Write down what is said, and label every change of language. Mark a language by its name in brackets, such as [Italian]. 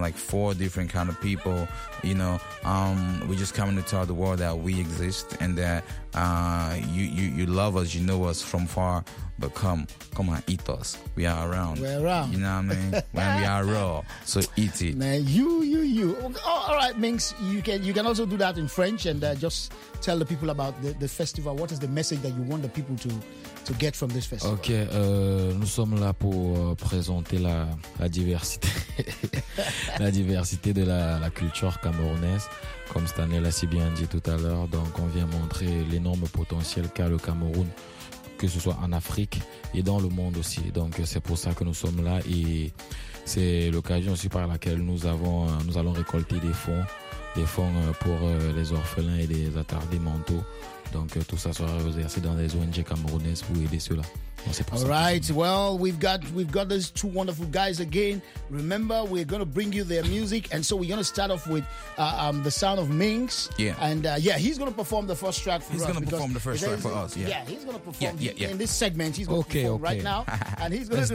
[English] Like four different kind of people, you know. We're just coming to tell the world that we exist and that you love us, you know us from far, but come on, eat us. We are around. We're around. You know what I mean? When we are raw, so eat it. Man, you. Oh, all right, Minx, you can also do that in French and just tell the people about the festival. What is the message that you want the people to get from this festival? [French] Okay, nous sommes là pour présenter la diversité la diversité de la culture camerounaise. Comme Stanley l'a si bien dit tout à l'heure, donc on vient montrer l'énorme potentiel qu'a le Cameroun, que ce soit en Afrique et dans le monde aussi. Donc c'est pour ça que nous sommes là, et c'est l'occasion aussi par laquelle nous allons récolter des fonds pour les orphelins et les attardés mentaux. Donc tout ça sera versé dans les ONG camerounaises pour aider ceux-là. [English] All right, well, we've got these two wonderful guys again. Remember, we're going to bring you their music. And so we're going to start off with the sound of Minx. Yeah. And he's going to perform the first track for us. He's going to perform the first track for us, yeah. Yeah, he's going to perform in this segment. He's going to perform right now. And he's going to